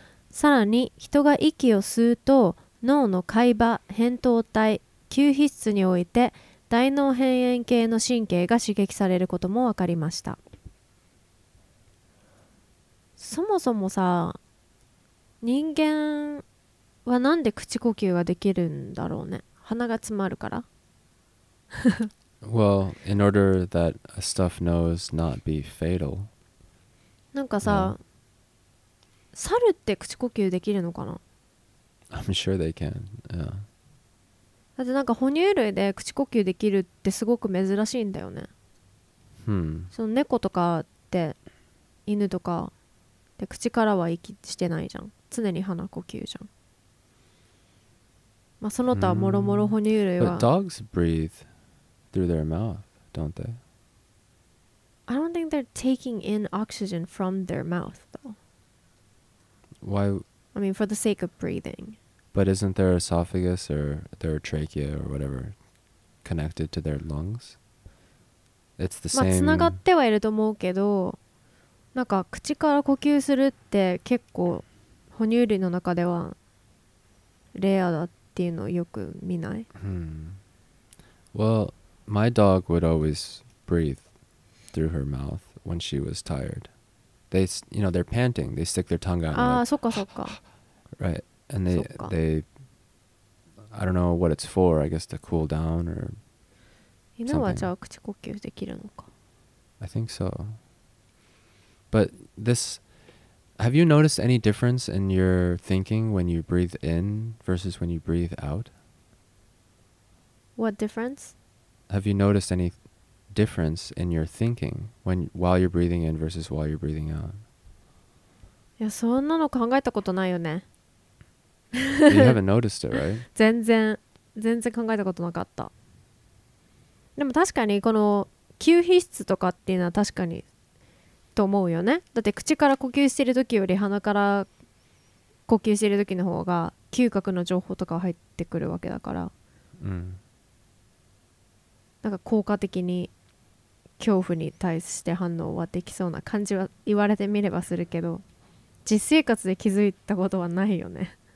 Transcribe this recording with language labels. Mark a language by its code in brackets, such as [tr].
[ja] さらに、人が息を吸うと、脳の海馬扁桃体、嗅皮質において、大脳辺縁系の神経が刺激されることも分かりました。そもそもさ、人間はなんで口呼吸ができるんだろうね。鼻が詰まるから。 [en] Well, in order that a stuffed nose not be fatal. [ja] なんかさ、猿って口呼吸できるのかな。 [en] I'm sure they can. Yeah. [ja] だってなんか哺乳類で口呼吸できるってすごく珍しいんだよね。その猫とかって犬とかで口からは息してないじゃん。常に鼻呼吸じゃん。まあ、その他もろもろ哺乳類は。 [en] But dogs breathe through their mouth, don't they? I don't think they're taking in oxygen from their mouth, though. Why? I mean, for the sake of breathing. But isn't their esophagus or their trachea or whatever connected to their lungs? It's the same. [ja] まあ、繋がってはいると思うけど、なんか口から呼吸するって結構哺乳類の中ではレアだっていうのをよく見ない。 [en] Well, my dog would always breathe through her mouth when she was tired. They, you know, they're panting. They stick their tongue out. [ja] ああ、そっかそっか。 [en] Right, and they, I don't know what it's for. I guess to cool down or something. [ja] 犬はじゃあ口呼吸できるのか。 [en] I think so. But this, have you noticed any difference in your thinking when you breathe in versus when you breathe out? What difference? Have you noticed any difference in your thinking when, while you're breathing in versus while you're breathing out? [ja] いや、そんなの考えたことないよね。 [en] You haven't noticed it, right? [ja] 全然考えたことなかった。でも確かにこの吸皮質とかっていうのは確かにと思うよね。だって口から呼吸してる時より鼻から呼吸してる時の方が嗅覚の情報とか入ってくるわけだから、なんか効果的に恐怖に対して反応はできそうな感じは言われてみればするけど、実生活で気づいたことはないよね。